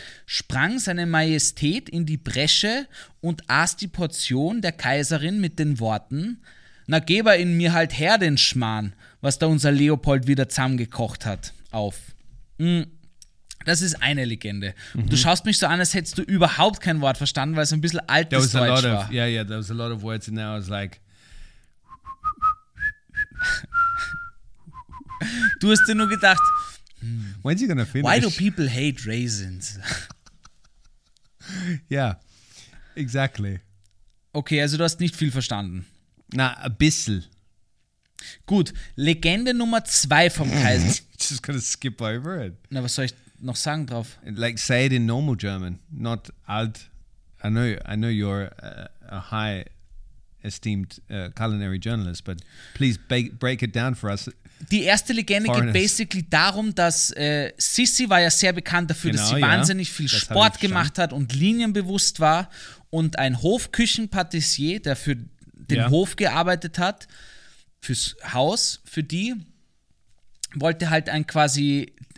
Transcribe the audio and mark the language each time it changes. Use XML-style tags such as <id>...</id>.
<de>sprang seine Majestät in die Bresche und aß die Portion der Kaiserin mit den Worten: Na, geb er in mir halt her den Schmarrn, was da unser Leopold wieder zusammengekocht hat, auf. Das ist eine Legende. Mhm. Du schaust mich so an, als hättest du überhaupt kein Wort verstanden, weil es ein bisschen altes Deutsch war.</de> <en>Yeah, there was a lot of words in there. I was like.</en> <de>Du hast dir nur gedacht.</de> <en>When's he gonna finish? Why do people hate raisins? yeah, exactly.</en> <de>Okay, also du hast nicht viel verstanden. Na, a bissl. Gut, Legende Nummer 2 vom Kaiser.</de> <en>Just gonna skip over it.</en> <de>Na, was soll ich noch sagen drauf?</de> <en>Like, say it in normal German, not alt. I know you're a high esteemed culinary journalist, but please break it down for us.</en> <de>Die erste Legende geht basically darum, dass Sissi war ja sehr bekannt dafür, dass sie wahnsinnig viel Sport gemacht hat und linienbewusst war und ein Hofküchenpatissier, der für den Hof gearbeitet hat, fürs Haus, für die, wollte halt ein quasi</de>